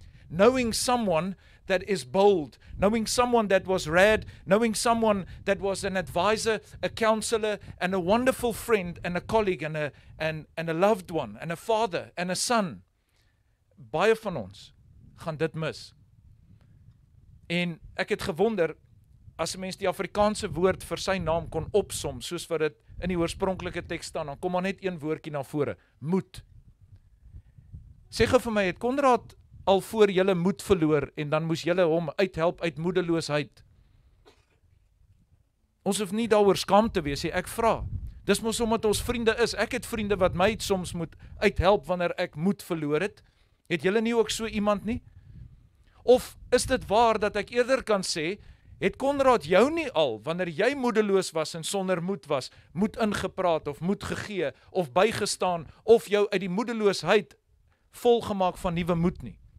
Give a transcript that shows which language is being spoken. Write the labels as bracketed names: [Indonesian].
[English] Knowing someone that is bold, knowing someone that was rad, knowing someone that was an advisor, a counselor, and a wonderful friend, and a colleague, and a loved one, and a father, and a son. [Afrikaans] Baie van ons gaan dit mis. En ek het gewonder, as mens die Afrikaanse woord vir sy naam kon opsom, soos wat dit in die oorspronklike teks staan, dan kom maar net een woordjie na vore, moed. Sê gou vir my, het Konrad al voor julle moed verloor, en dan moes julle hom uithelp uit moedeloosheid? Ons hoef nie daaroor skaam te wees, ek vra. Dis mos omdat ons vriende is, ek het vriende wat my het soms moet uithelp wanneer ek moed verloor het. Het julle nie ook so iemand nie? Of is dit waar dat ek eerder kan sê, het Konrad jou nie al, wanneer jy moedeloos was en sonder moed was, moed ingepraat of moed gegee of bygestaan of jou uit die moedeloosheid volgemaak van nuwe moed nie?